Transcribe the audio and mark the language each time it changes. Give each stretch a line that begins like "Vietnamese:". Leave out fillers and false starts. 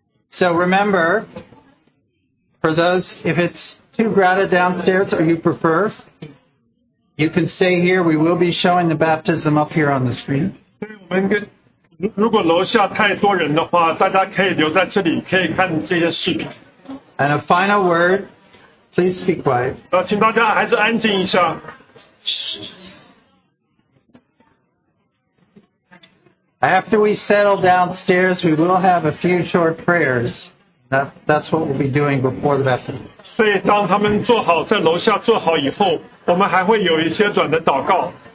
English: So remember, for those, if it's too crowded downstairs or you prefer, you can stay here. We will be showing the baptism up here on the screen.
Chinese: 对，我们跟如果楼下太多人的话，大家可以留在这里，可以看这些视频。
English: And a final word, please speak quiet.
Chinese: 请大家还是安静一下。
English: After we settle downstairs, we will have a few short prayers. That's what we'll be doing before the baptism.
Chinese: 所以当他们做好在楼下做好以后，我们还会有一些短的祷告。